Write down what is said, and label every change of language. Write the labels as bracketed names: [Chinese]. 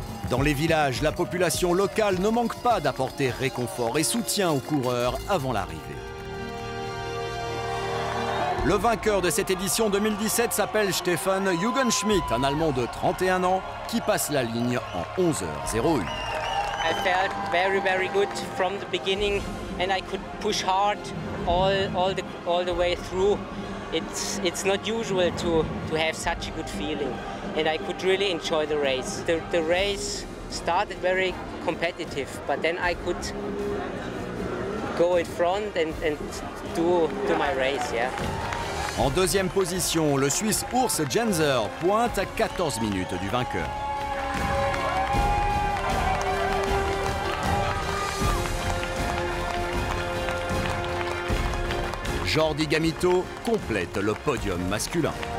[French] Dans les villages, la population locale ne manque pas d'apporter réconfort et soutien aux coureurs avant l'arrivée. Le vainqueur de cette édition 2017 s'appelle Stefan Jugendschmidt, un Allemand de 31 ans qui passe la ligne en 11h01. [English] I felt very very good from the beginning and I could push hard all the way through. it's not usual to have such a good feeling, and I could really enjoy the race. The race started very competitive, but then I could go in front and do my race, yeah. [French] En deuxième position, le Suisse Urs Jenzer pointe à 14 minutes du vainqueur. Jordi Gamito complète le podium masculin.